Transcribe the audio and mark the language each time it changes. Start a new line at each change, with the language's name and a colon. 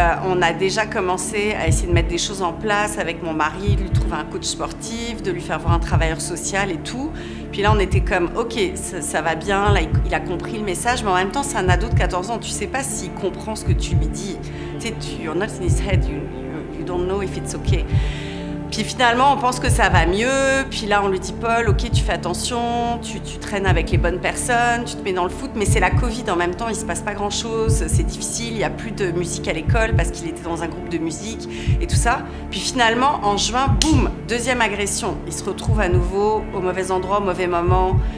French: On a déjà commencé à essayer de mettre des choses en place avec mon mari, de lui trouver un coach sportif, de lui faire voir un travailleur social et tout. Puis là, on était comme, ok, ça va bien, là, il a compris le message, mais en même temps, c'est un ado de 14 ans, tu ne sais pas s'il comprend ce que tu lui dis. Tu sais,
English: you're not in his head, you don't know if it's okay.
French: Puis finalement, on pense que ça va mieux. Puis là, on lui dit, Paul, OK, tu fais attention, tu traînes avec les bonnes personnes, tu te mets dans le foot. Mais c'est la COVID en même temps, il ne se passe pas grand-chose. C'est difficile, il n'y a plus de musique à l'école parce qu'il était dans un groupe de musique et tout ça. Puis finalement, en juin, boum, deuxième agression. Il se retrouve à nouveau au mauvais endroit, au mauvais moment.